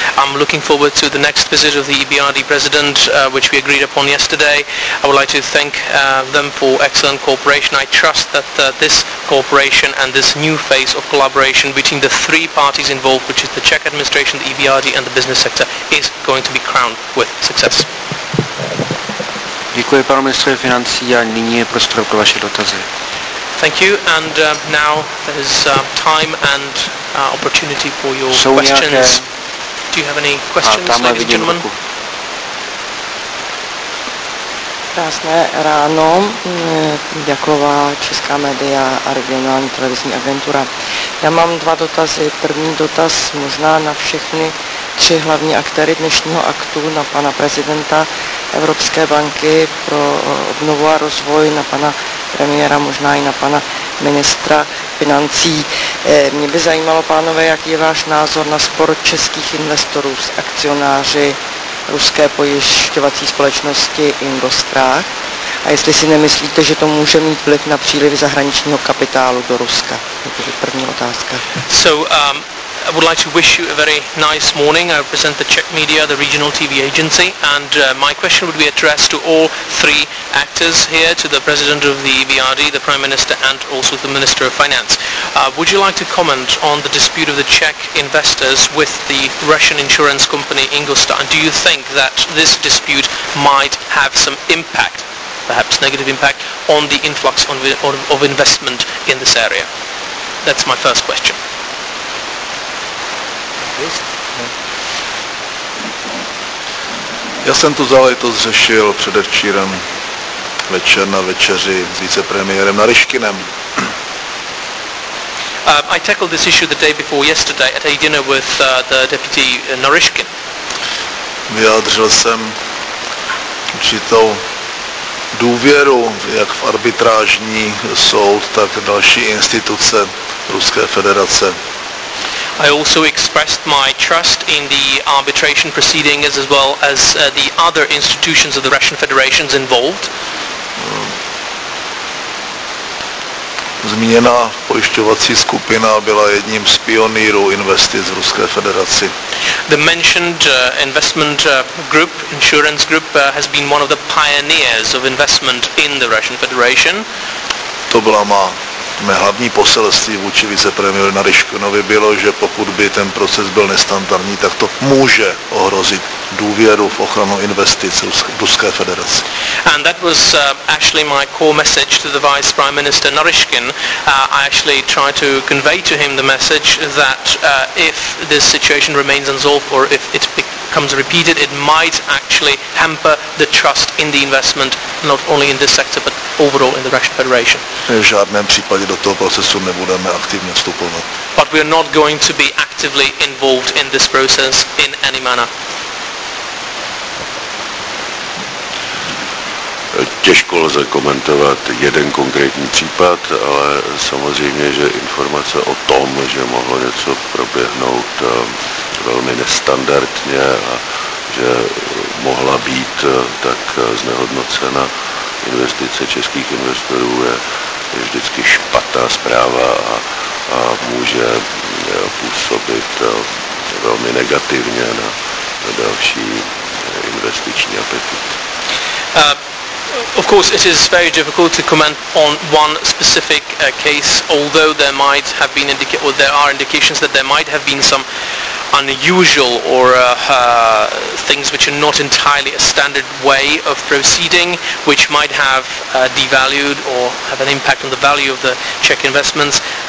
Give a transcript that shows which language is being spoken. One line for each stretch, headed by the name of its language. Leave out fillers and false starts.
English: I'm looking forward to the next visit of the EBRD president, which we agreed upon yesterday. I would like to thank them for excellent cooperation. I trust that this cooperation and this new phase of collaboration between the three parties involved, which is the Czech administration, the EBRD and the business sector, is going to be crowned with success.
Czech: Děkuji panu ministrovi financí a nyní je prostor pro vaše dotazy.
English: Thank you, and now there is time and opportunity for your
Czech: jsou
English: questions.
Czech: Nějaké...
English: Do you have any questions, ladies and gentlemen?
Czech: Krásné ráno, Jaková, česká média a regionální televizní agentura. Já mám dva dotazy. První dotaz možná na všechny tři hlavní aktéry dnešního aktu, na pana prezidenta Evropské banky pro obnovu a rozvoj, na pana premiéra, možná i na pana ministra financí. Mě by zajímalo, pánové, jaký je váš názor na spor českých investorů s akcionáři ruské pojišťovací společnosti Ingostrach, a jestli si nemyslíte, že to může mít vliv na příliv zahraničního kapitálu do Ruska. To je první otázka.
English: I would like to wish you a very nice morning. I represent the Czech media, the regional TV agency, and my question would be addressed to all three actors here, to the president of the EBRD, the prime minister, and also the minister of finance. Would you like to comment on the dispute of the Czech investors with the Russian insurance company Ingolstadt? And do you think that this dispute might have some impact, perhaps negative impact, on the influx of investment in this area? That's my first question.
Czech: Já jsem tu záležitost řešil předevčírem večer na večeři s vicepremiérem Naryškinem.
English: I tackled this issue the day before yesterday at a dinner with the deputy Naryškin.
Czech: Vyjádřil jsem určitou důvěru jak v arbitrážní soud, tak v další instituce Ruské federace.
English: I also expressed my trust in the arbitration proceedings as well as the other institutions of the Russian Federation involved.
Czech: Zmíněná pojišťovací skupina byla jedním z pionýrů investic v Ruské federaci.
English: The mentioned investment group, insurance group, has been one of the pioneers of investment in the Russian Federation.
Czech: To byla má. Mé hlavní poselství vůči vicepremiéru Naryškinovi bylo, že pokud by ten proces byl nestandardní, tak to může ohrozit důvěru v ochranu investic Ruské federace.
English: And that was actually my core message to the Vice Prime Minister Naryškin. I actually tried to convey to him the message that if this situation remains unsolved or if it becomes repeated, it might actually hamper the trust in the investment, not only in this sector, but overall in the Russian Federation.
Czech: V žádném případě do toho procesu nebudeme aktivně vstupovat.
English: But we are not going to be actively involved in this process in any manner.
Czech: Těžko lze komentovat jeden konkrétní případ, ale samozřejmě, že informace o tom, že mohlo něco proběhnout velmi nestandardně a že mohla být tak znehodnocena investice českých investorů, je vždycky špatná zpráva a může působit velmi negativně na další investiční apetit.
English: Of course, it is very difficult to comment on one specific case, although there are indications that there might have been some unusual or things which are not entirely a standard way of proceeding, which might have devalued or have an impact on the value of the Czech investments.